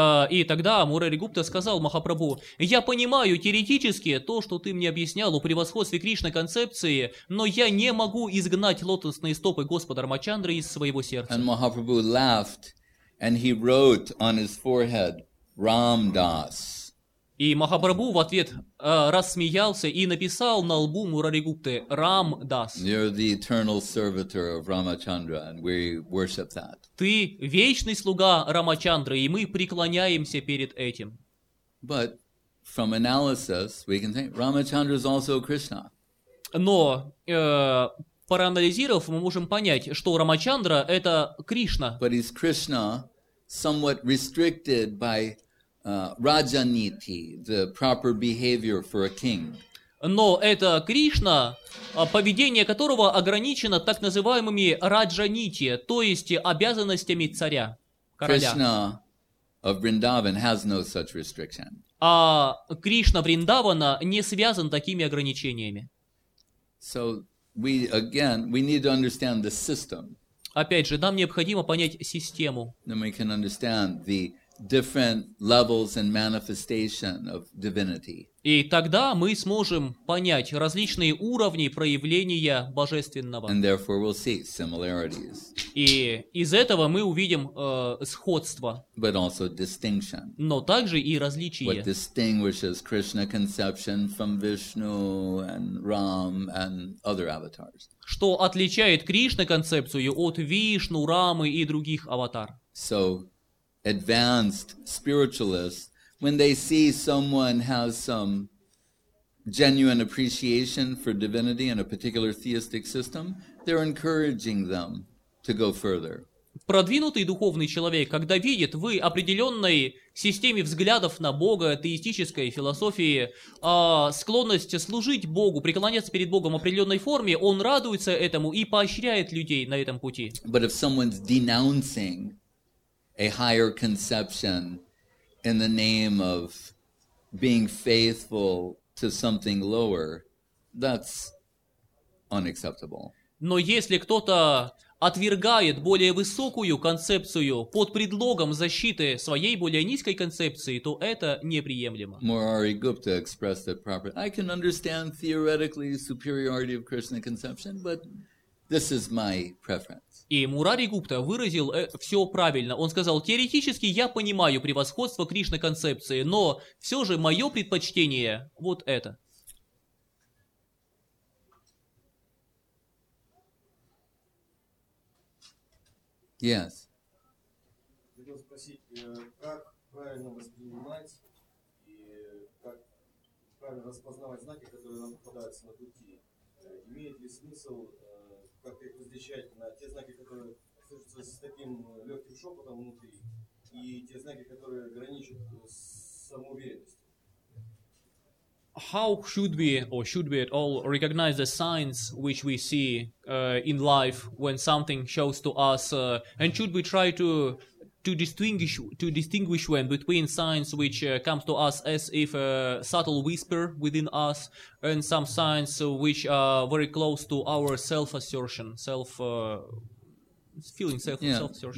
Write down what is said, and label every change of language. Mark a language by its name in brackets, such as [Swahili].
[Russian] И тогда Мурари Гупта сказал Махапрабху, я понимаю теоретически то, что ты мне объяснял о превосходстве Кришны концепции, но я не могу изгнать лотосные стопы Господа Рамачандры из своего сердца. [English] And Mahaprabhu laughed, and he wrote on his forehead, Ram Das. [Russian] И Махапрабху в ответ рассмеялся и написал на лбу Мурари Гупты «Рам Дас». [English] You're the eternal servitor of Ramachandra, and we worship that. [Russian] Ты вечный слуга Рамачандры, и мы преклоняемся перед этим. [English] But from analysis, we can think Ramachandra is also Krishna. [Russian] Но, проанализировав, мы можем понять, что Рамачандра — это Кришна. [English] But he's Krishna somewhat restricted by Rajaniti, the proper behavior for a king. [Russian] Но это Кришна, поведение которого ограничено так называемыми Раджанити, то есть обязанностями царя, короля. [English] Krishna of Vrindavan has no such restriction. [Russian] А Кришна Вриндавана не связан такими ограничениями. [English] So we need to understand the system. [Russian] Опять же, нам необходимо понять систему. [English] Then we can understand the different levels and manifestation of divinity. [Russian] И тогда мы сможем понять различные уровни проявления божественного. [English] And therefore we'll see similarities. [Russian] И из этого мы увидим сходство. [English] But also distinction. [Russian] Но также и различия. [English] What distinguishes Krishna conception from Vishnu and Ram and other avatars. [Russian] Что отличает Кришна концепцию от Вишну, Рамы и других аватар. [English] So advanced spiritualists when they see someone has some genuine appreciation for divinity in a particular theistic system, they're encouraging them to go further. [Russian] Продвинутый духовный человек, когда видит в определенной системе взглядов на Бога, теистической философии, склонность служить Богу, преклоняться перед Богом в определенной форме, он радуется этому и поощряет людей на этом пути. [English] But if someone's denouncing a higher conception in the name of being faithful to something lower, that's unacceptable. [Russian] Но если кто-то отвергает более высокую концепцию под предлогом защиты своей более низкой концепции, то это неприемлемо. [English] Murari Gupta expressed it properly. I can understand theoretically the superiority of Krishna conception, but this is my preference. [Russian] И Мурари Гупта выразил все правильно. Он сказал, теоретически я понимаю превосходство Кришны концепции, но все же мое предпочтение вот это. [English] Yes. [Russian] Хотел спросить, как правильно воспринимать и как правильно распознавать знаки, которые нам попадаются на пути? Имеет ли смысл как-то их различать на те знаки, которые слышатся с таким легким шепотом внутри, и те знаки, которые граничат с самоуверенностью? [English] How should we or should we at all recognize the signs which we see in life when something shows to us and should we try to distinguish when between signs which comes to us as if a subtle whisper within us and some signs which are very close to our self-assertion, self-assertion.